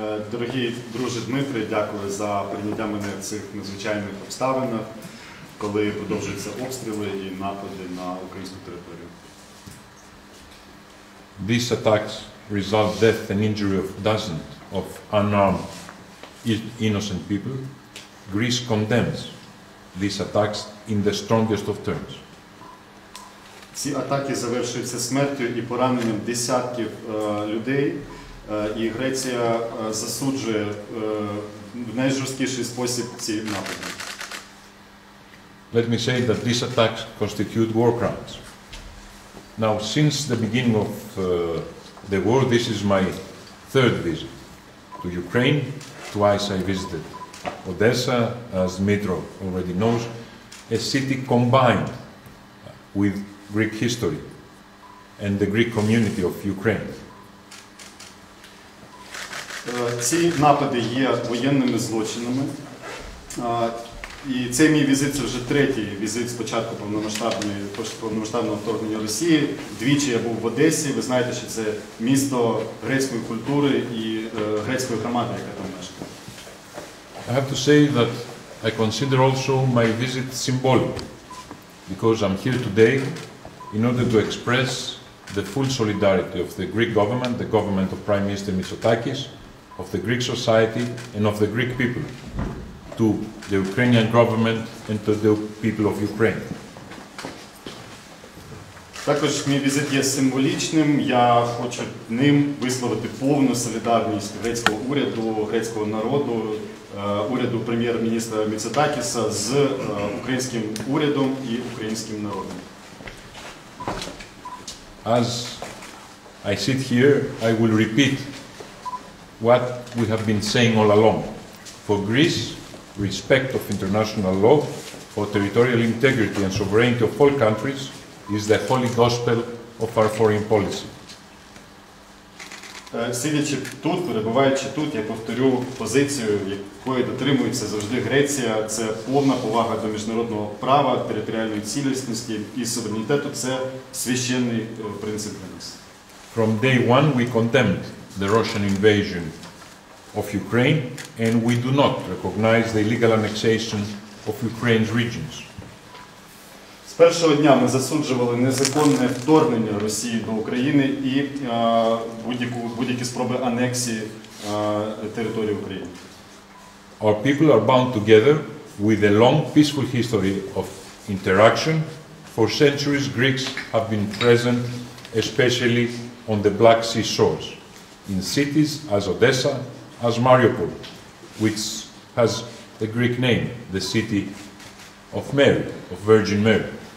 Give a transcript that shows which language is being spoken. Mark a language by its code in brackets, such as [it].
[uk] Дорогі друзі Дмитре, дякую за прийняття мене в цих надзвичайних обставинах, коли продовжуються обстріли і напади на українську територію. [en] These attacks result death and injury of dozens of unarmed innocent people. Greece condemns these attacks in the strongest of terms. [uk] Ці атаки завершуються смертю і пораненням десятків людей, і Греція засуджує в найжорсткіший спосіб ці напади. [en] Let me say that these attacks constitute war crimes. Now, since the beginning of the war, this is my third visit to Ukraine. Twice I visited Odessa, as Dmitro already knows, a city combined with Greek history and the Greek community of Ukraine. [uk] Ці напади є воєнними злочинами, і цей мій візит – це вже третій візит з початку повномасштабного вторгнення Росії. Двічі я був в Одесі, ви знаєте, що це місто грецької культури і грецької громади, яка там мешкає. [en] I have to say that I consider also my visit symbolic, because I'm here today in order to express the full solidarity of the Greek government, the government of Prime Minister Mitsotakis, of the Greek society and of the Greek people to the Ukrainian government and to the people of Ukraine. [uk] Також мій візит є символічним. Я хочу ним висловити повну солідарність грецького уряду, грецького народу, уряду прем'єр-міністра Міцотакіса з українським урядом і українським народом. [en] As I sit here, I will repeat what we have been saying all along. For Greece, respect of international law, for territorial integrity and sovereignty of all countries is the holy gospel of our foreign policy. [uk] Сидячи тут, перебуваючи тут, я повторю позицію, якої дотримується завжди Греція. Це повна повага до міжнародного права, територіальної цілісності і суверенітету. Це священний принцип для нас. [en] From day one we condemned the Russian invasion of Ukraine, and we do not recognize the illegal annexation of Ukraine's regions. [uk] З першого дня ми засуджували незаконне вторгнення Росії до України і будь-які спроби анексії території України. [en] Our people are bound together with a long peaceful history of interaction. For centuries Greeks have been present, especially on the Black Sea shores, in cities as Odessa, as Mariupol, which has a Greek name, the city of Mary, of Virgin Mary.